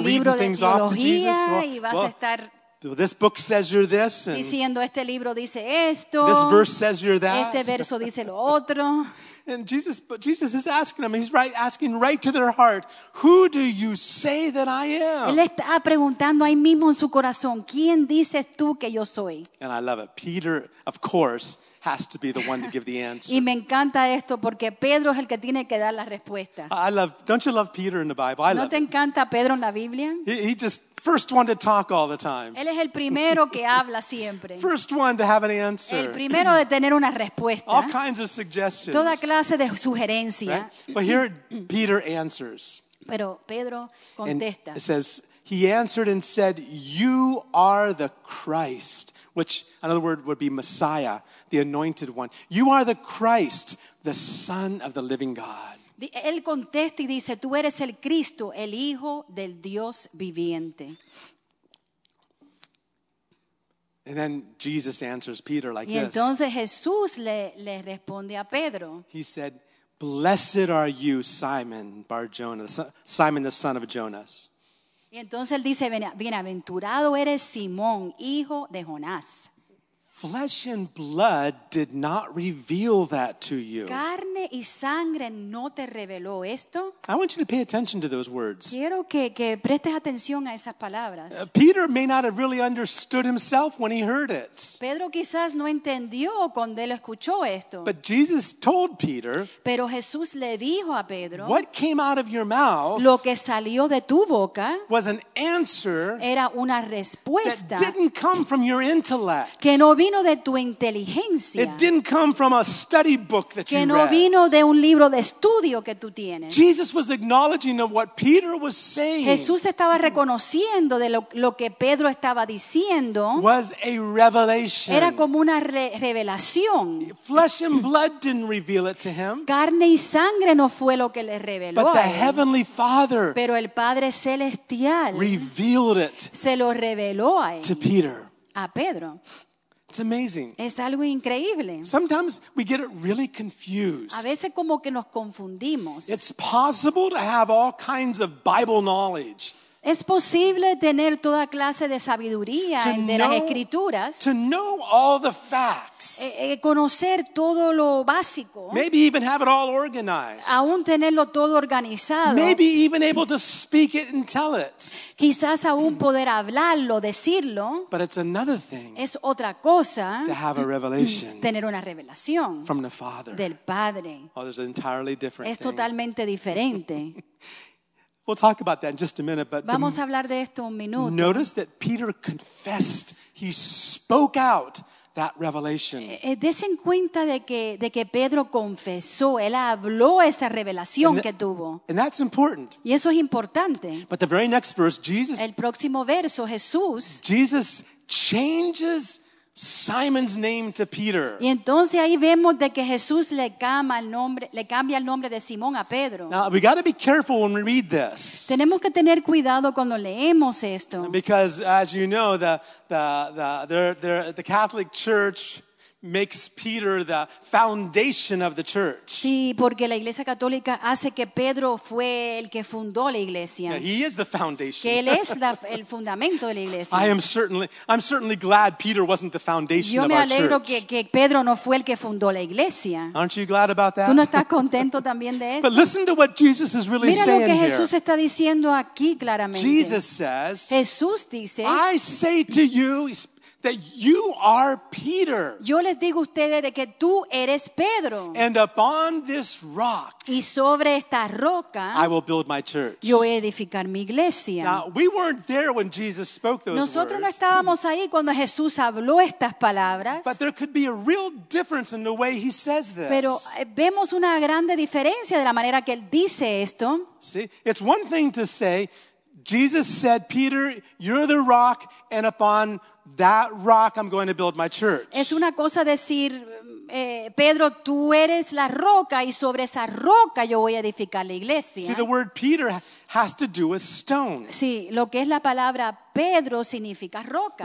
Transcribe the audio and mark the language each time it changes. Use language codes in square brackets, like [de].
[es] libro [en] reading [es] de [en] things off to Jesus? [es] Y vas a estar [en] This book says you're this. [es] And diciendo, este libro dice esto. [en] This verse says you're that. [es] Este verso dice lo otro. [en] And Jesus is asking them, he's asking right to their heart, who do you say that I am? [es] Él está preguntando ahí mismo en su corazón, ¿quién dices tú que yo soy? [en] And I love it. Peter, of course, has to be the one to give the answer. [es] Y me encanta esto porque Pedro es el que tiene que dar la respuesta. [en] I love, don't you love Peter in the Bible? [es] ¿No te encanta Pedro en la Biblia? [en] He just first one to talk all the time. [es] Él es el primero que habla siempre. [en] First one to have an answer. [es] El primero de tener una respuesta. [en] All kinds of suggestions. [es] Toda clase de sugerencia. [en] Right? But here Peter answers. [es] Pero Pedro contesta. [en] And it says, he answered and said, you are the Christ. Which, another word, would be Messiah, the anointed one. You are the Christ, the Son of the living God. [es] Él contesta y dice, tú eres el Cristo, el Hijo del Dios viviente. [en] And then Jesus answers Peter like this. [es] Y entonces Jesús le responde a Pedro. [en] He said, blessed are you, Simon, Bar-Jonah, Simon the son of Jonas. [es] Y entonces él dice, bienaventurado eres Simón, hijo de Jonás. [en] Flesh and blood did not reveal that to you. [es] Carne y sangre no te reveló esto. [en] I want you to pay attention to those words. [es] Quiero que prestes atención a esas palabras. [en] Peter may not have really understood himself when he heard it. [es] Pedro quizás no entendió cuando él escuchó esto. [en] But Jesus told Peter. [es] Pero Jesús le dijo a Pedro. [en] What came out of your mouth? [es] Lo que salió de tu boca. [en] Was an answer. [es] Era una respuesta. [en] That didn't come from your intellect. [es] Que no vino de tu inteligencia. [en] It didn't come from a study book that [es] que [en] you [es] no [en] read. [es] Vino de un libro de estudio que tú tienes. [en] Jesus was acknowledging of what Peter was saying. [es] Jesús estaba reconociendo de lo que Pedro estaba diciendo. [en] Was a revelation. [es] Era como una revelación. [en] Flesh and blood didn't reveal it to him. [es] Carne y sangre no fue lo que le reveló. [en] But the heavenly Father. [es] Pero el Padre celestial. [en] Revealed it. [es] Se lo reveló a él. [en] To Peter. [es] A Pedro. [en] It's amazing. [es] Es algo increíble. [en] Sometimes we get it really confused. [es] A veces como que nos confundimos. [en] It's possible to have all kinds of Bible knowledge. [es] Es posible tener toda clase de sabiduría de las escrituras. [en] To know all the facts. [es] Conocer todo lo básico. [en] Maybe even have it all organized. [es] Aún tenerlo todo organizado. [en] Maybe even able to speak it and tell it. [es] Quizás aún poder hablarlo, decirlo. [en] But it's another thing. [es] Es otra cosa. [en] To have a revelation. [es] Tener una revelación. [en] From the Father. [es] Del Padre. [en] Oh, there's an entirely different thing. [es] Es totalmente diferente. [en] We'll talk about that in just a minute, but [es] vamos a hablar de esto un minuto. [en] Notice that Peter confessed, he spoke out that revelation. [es] Dese cuenta de que Pedro confesó, él habló esa revelación que tuvo. [en] And that's important. [es] Y eso es importante. [en] But the very next verse, Jesus. [es] El próximo verso, Jesús. [en] Jesus changes Simon's name to Peter. [es] Y entonces ahí vemos de que Jesús le cambia el nombre de Simón a Pedro. [en] Now we got to be careful when we read this. [es] Tenemos que tener cuidado cuando leemos esto. [en] Because as you know, the Catholic Church makes Peter the foundation of the church. [es] Sí, porque la Iglesia Católica hace que Pedro fue el que fundó la iglesia. [en] Yeah, he is the foundation. [es] Que él es el fundamento de la iglesia. [en] I'm certainly glad Peter wasn't the foundation of our church. [es] Yo me alegro que Pedro no fue el que fundó la iglesia. [en] Aren't you glad about that? [es] ¿Tú no estás contento también de eso? [en] But listen to what Jesus is really [es] Mira [en] saying [es] lo que Jesús [en] here. [es] Está diciendo aquí claramente. [en] Jesus says. [es] Jesús dice. [en] I say to you. That you are Peter. [es] Yo les digo a ustedes de que tú eres Pedro. [en] And upon this rock. [es] Y sobre esta roca. [en] I will build my church. [es] Yo voy a edificar mi iglesia. [en] Now we weren't there when Jesus spoke those [es] Nosotros [en] words. [es] No estábamos ahí cuando Jesús habló estas palabras. [en] But there could be a real difference in the way he says this. [es] Pero vemos una grande diferencia de la manera que él dice esto. [en] See, it's one thing to say, Jesus said, Peter, you're the rock, and upon that rock, I'm going to build my church. [es] Es una cosa decir, Pedro, tú eres la roca y sobre esa roca yo voy a edificar la iglesia. [en] See, the word Peter has to do with stone. [es] Sí, lo que es la palabra Pedro significa roca.